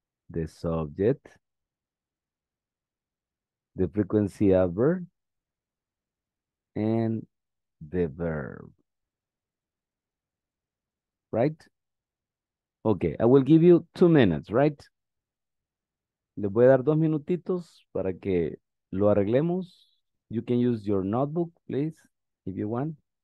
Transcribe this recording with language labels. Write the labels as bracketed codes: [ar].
[en] The subject, the frequency adverb, and the verb, right? Okay, I will give you 2 minutes, right? [es] Le voy a dar 2 minutitos para que lo arreglemos. [en] You can use your notebook, please, if you want.